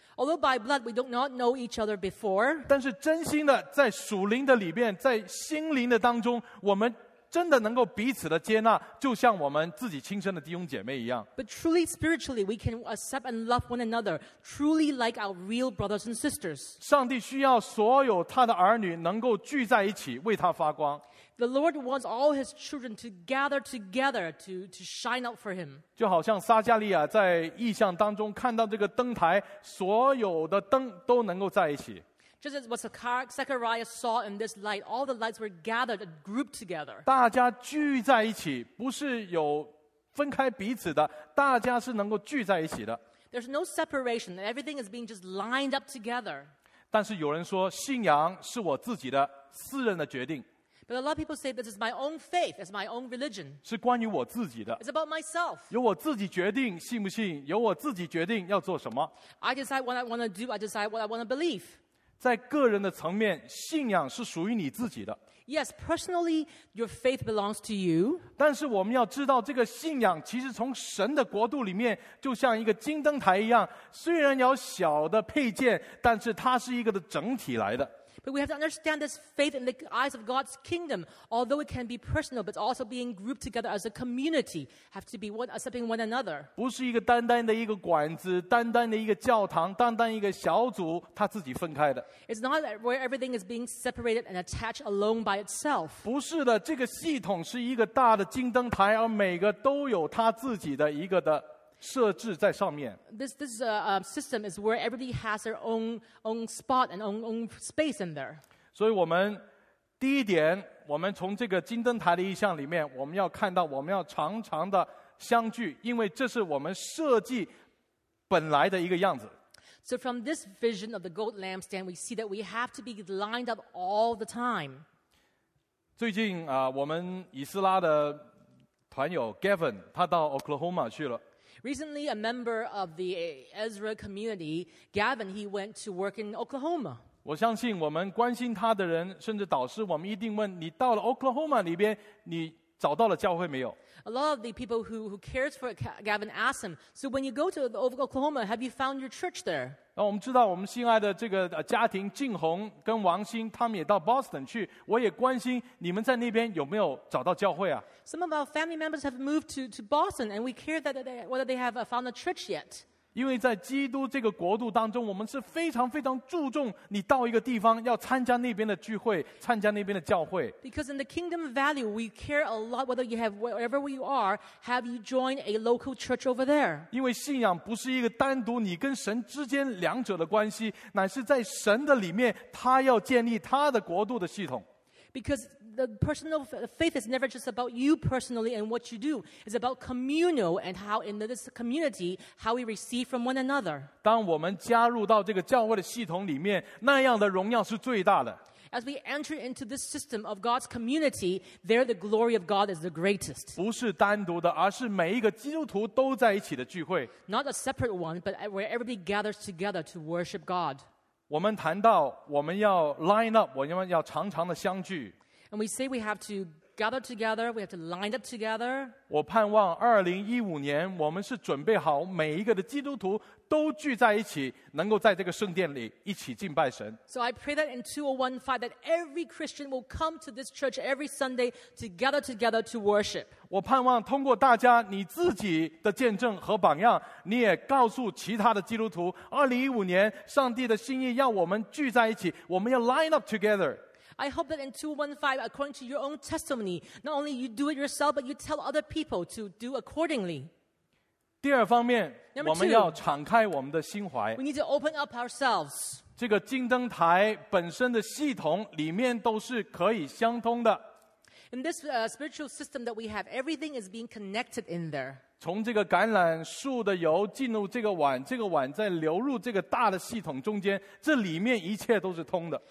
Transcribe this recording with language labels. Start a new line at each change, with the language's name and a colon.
English: Although by blood we do not know each other before.
Chinese: 但是真心的在属灵的里面，在心灵的当中，我们真的能够彼此的接纳，就像我们自己亲生的弟兄姐妹一样。
English: But truly spiritually we can accept and love one another truly like our real brothers and sisters.
Chinese: 上帝需要所有他的儿女能够聚在一起，为他发光。
English: The Lord wants all His children to gather together to shine out for Him.
Chinese: 就好像撒加利亚在异象当中看到这个灯台，所有的灯都能够在一起。
English: Just as what Zechariah saw in this light, all the lights were gathered and grouped together.
Chinese: 大家聚在一起，不是有分开彼此的，大家是能够聚在一起的。
English: There's no separation. Everything is being just lined up together.
Chinese: 但是有人说，信仰是我自己的私人的决定。
English: But a lot of people say this is my own faith, it's my own religion.
Chinese: 是关于我自己的。
English: It's about myself.
Chinese: 由我自己决定信不信，由我自己决定要做什么。
English: I decide what I want to do. I decide what I want to believe.
Chinese: 在个人的层面，信仰是属于你自己的。
English: Yes, personally, your faith belongs to you.
Chinese: 但是我们要知道，这个信仰其实从神的国度里面，就像一个金灯台一样，虽然有小的配件，但是它是一个的整体来的。
English: But we have to understand this faith in the eyes of God's kingdom, although it can be personal, but also being grouped together as a community, have to be one, accepting one another.
Chinese: 不是一个单单的一个馆子，单单的一个教堂，单单一个小组，它自己分开的。
English: It's not where everything is being separated and attached alone by itself.
Chinese: 不是的，这个系统是一个大的金灯台，而每个都有它自己的一个的设置在上面。
English: This system is where everybody has their own spot and own space in there.
Chinese: 所以我们第一点，我们从这个金灯台的意象里面，我们要看到我们要常常的相聚，因为这是我们设计本来的一个样子。
English: So from this vision of the gold lampstand, we see that we have to be lined up all the time.
Chinese: 最近啊，我们以斯拉的团友 Gavin 他到 Oklahoma 去了。
English: Recently, a member of the Ezra community, Gavin, he went to work in Oklahoma.
Chinese: 我相信我们关心他的人，甚至导师，我们一定问你到了 Oklahoma 里边，你找到了教会没有？
English: A lot of the people who cares for Gavin asked him, so when you go to Oklahoma, have you found your church there?
Chinese: 那我们知道我们心爱的这个家庭静红跟王兴，他们也到 Boston 去，我也关心你们在那边有没有找到教会啊？
English: Some of our family members have moved to Boston, and we care that whether they have found a church yet.
Chinese: 因为在基督这个国度当中，我们是非常非常注重你到一个地方要参加那边的聚会，参加那边的教会。
English: Because in the kingdom value, we care a lot whether you have wherever you are, have you joined a local church over there?
Chinese: 因为信仰不是一个单独你跟神之间两者的关系，乃是在神的里面，他要建立他的国度的系统。
English: Because the personal faith is never just about you personally and what you do. It's about communal and how in this community, how we receive from one another.
Chinese: 当我们加入到这个教会的系统里面，那样的荣耀是最大的。
English: As we enter into this system of God's community, there the glory of God is the greatest.
Chinese: 不是单独的，而是每一个基督徒都在一起的聚会。
English: Not a separate one, but where everybody gathers together to worship God.
Chinese: 我们谈到我们要
English: line up,
Chinese: 我们要常常的相聚。
English: And we say we have to gather together, we have to line up together.
Chinese: 我盼望2015年我们是准备好每一个的基督徒都聚在一起，能够在这个圣殿里一起敬拜神。
English: So I pray that in 2015 that every Christian will come to this church every Sunday to gather together to worship.
Chinese: 我盼望通过大家你自己的见证和榜样，你也告诉其他的基督徒，2015年上帝的心意要我们聚在一起，我们要
English: line up together. I hope that in 2015, according to your own testimony, not only you do it yourself, but you tell other people to do accordingly.
Chinese: 第二方面，我们要敞开我们的心怀。
English: We need to open up ourselves.
Chinese: 这个金灯台本身的系统里面都是可以相通的。
English: In this spiritual system that we have, everything is being connected in there.
Chinese: 从这个橄榄树的油进入这个碗，这个碗再流入这个大的系统中间，这里面一切都是通的。